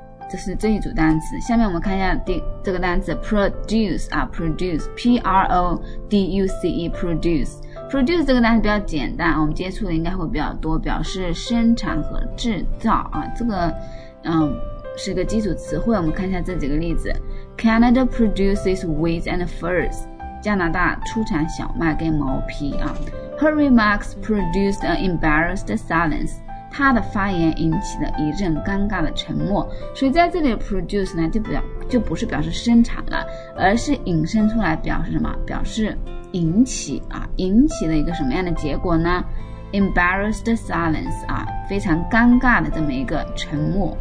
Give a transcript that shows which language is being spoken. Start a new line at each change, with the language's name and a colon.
Chinese: 这是这一组单词，下面我们看一下这个单词 produce 啊 produce P-R-O-D-U-C-E produce。 produce 这个单词比较简单，我们接触的应该会比较多，表示生产和制造啊，这个是个基础词汇。
English: 我们看一下这几个例子，Canada produces wheat and furs，加拿大出产小麦跟毛皮啊。 Her remarks produced an embarrassed silence，
Chinese: 他的发言引起了一阵尴尬的沉默。所以在这里 produce 呢，就不是表示生产了，而是引申出来表示什么？表示引起啊，引起了一个什么样的结果呢？ Embarrassed silence 啊，非常尴尬的这么一个沉默。